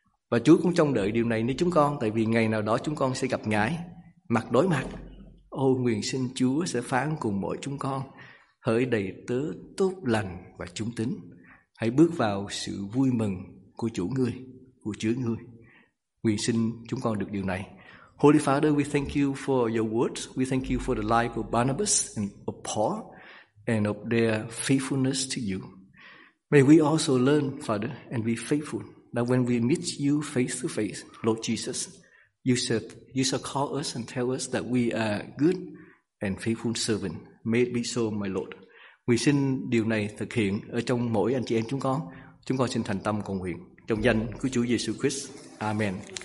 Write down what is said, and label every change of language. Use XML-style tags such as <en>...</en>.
<vi>Và Chúa cũng trông đợi điều này nơi chúng con, tại vì ngày nào đó chúng con sẽ gặp Ngài mặt đối mặt. Ô nguyện xin Chúa sẽ phán cùng mỗi chúng con: hỡi đầy tớ tốt lành và trung tín, hãy bước vào sự vui mừng của chủ ngươi, của Chúa ngươi. Nguyện xin chúng con được điều này.</vi> <en>Holy Father, we thank you for your words. We thank you for the life of Barnabas and of Paul and of their faithfulness to you. May we also learn, Father, and be faithful that when we meet you face to face, Lord Jesus, you shall call us and tell us that we are good and faithful servant. May it be so, my Lord.</en> <vi>Nguyện xin điều này thực hiện ở trong mỗi anh chị em chúng con. Chúng con xin thành tâm cầu nguyện trong danh của Chúa Giêsu Christ. Amen.</vi>